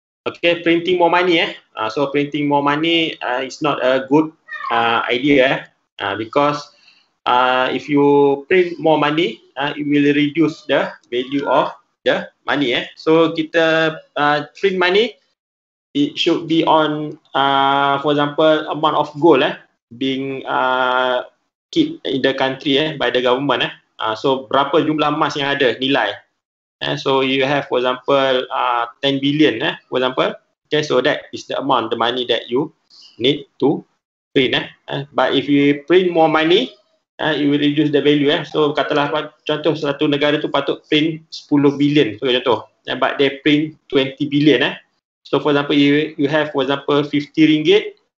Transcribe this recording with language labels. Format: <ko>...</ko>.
<en>Okay, printing more money. So printing more money is not a good idea because if you print more money, it will reduce the value of the money. Eh. So</en> <ms>kita</ms> <en>print money, it should be on, for example, amount of gold being keep in the country by the government.</en> <ms>So berapa jumlah emas yang ada nilai.</ms> <en>So you have, for example, 10 billion, for example. Okay, so that is the amount, the money that you need to print. But if you print more money, you will reduce the value.</en> <ms>So katalah contoh satu negara tu patut print 10 billion, so contoh.</ms> <en>But they print 20 billion. So for example, you have, for example, 50 ringgit.</en>